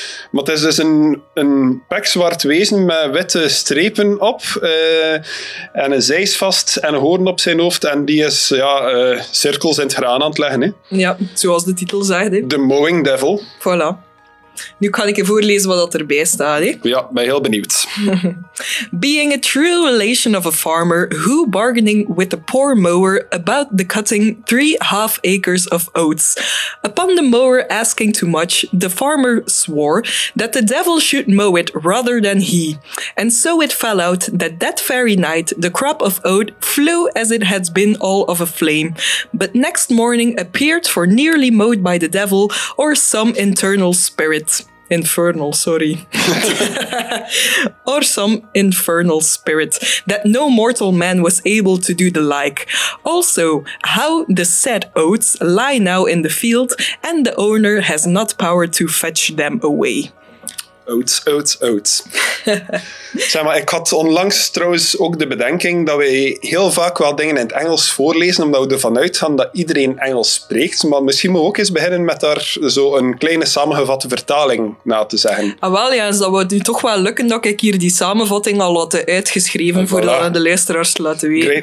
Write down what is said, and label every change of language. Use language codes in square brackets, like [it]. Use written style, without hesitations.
[nl] Maar het is dus een pekzwart wezen met witte strepen op. En een zeis vast en een hoorn op zijn hoofd. En die is cirkels in het graan aan het leggen. Hè. Ja, zoals de titel zegt. Hè. [en] The Mowing Devil. [fr] Voilà. [nl] Nu kan ik je voorlezen wat erbij staat. Hè? Ja, ben heel benieuwd. [en] Being a true relation of a farmer who bargaining with a poor mower about the cutting 3.5 acres of oats. Upon the mower asking too much, the farmer swore that the devil should mow it rather than he. And so it fell out that very night the crop of oat flew as it had been all of a flame, but next morning appeared for nearly mowed by the devil or some internal spirit. Infernal, sorry. Or some infernal spirit that no mortal man was able to do the like. Also, how the said oats lie now in the field and the owner has not power to fetch them away. Oats, oats, oats. [nl] Zeg maar, ik had onlangs trouwens ook de bedenking dat wij heel vaak wel dingen in het Engels voorlezen, omdat we ervan uitgaan dat iedereen Engels spreekt. Maar misschien moeten we ook eens beginnen met daar zo een kleine samengevatte vertaling na te zeggen. Ah, wel ja, dus dat wordt nu toch wel lukken dat ik hier die samenvatting al had uitgeschreven voordat we de luisteraars laten weten.